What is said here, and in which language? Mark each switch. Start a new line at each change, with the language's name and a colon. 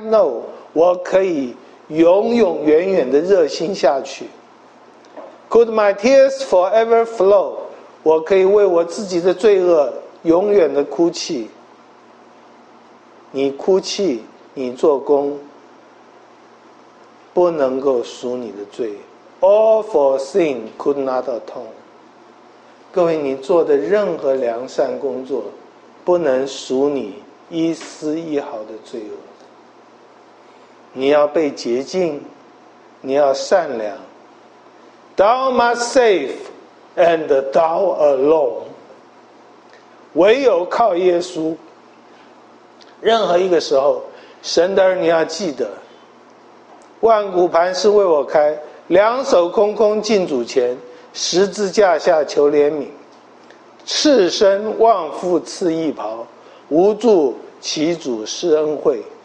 Chinese: No， 我可以永永远远的热心下去。
English: Could my tears forever flow?
Chinese: 我可以为我自己的罪恶永远的哭泣。你哭泣，你做工，不能够赎你的罪。
English: All for sin could not atone.
Chinese: 各位，你做的任何良善工作，不能赎你一丝一毫的罪恶。你要被洁净，你要善良。
English: Thou must save, and thou alone.
Chinese: 唯有靠耶稣。任何一个时候，神的儿女要记得，万古磐石为我开，两手空空进主前，十字架下求怜悯，赤身望父赐义袍，无助其主施恩惠。